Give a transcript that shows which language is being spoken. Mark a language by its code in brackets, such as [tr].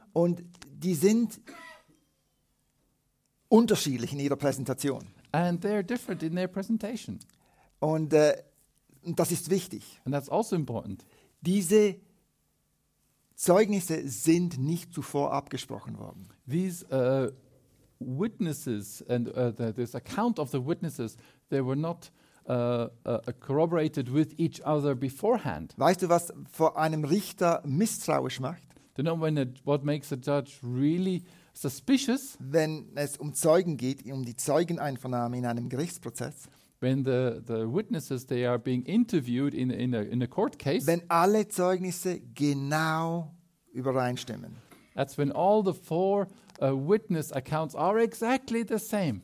[de] Und die sind unterschiedlich in ihrer Präsentation. [en] And they're different in their presentation. [de] Und das ist wichtig. [en] And that's also important. [de] Diese Zeugnisse sind nicht zuvor abgesprochen worden. [en] These witnesses and this account of the witnesses, they were not corroborated with each other beforehand. [de] Weißt du, was vor einem Richter misstrauisch macht? [en] Do you know when what makes a judge really suspicious? [de] Wenn es um Zeugen geht, um die Zeugeneinvernahme in einem Gerichtsprozess. [en] When the witnesses, they are being interviewed in a court case. [de] Wenn alle Zeugnisse genau übereinstimmen. [en] That's when all the four witness accounts are exactly the same.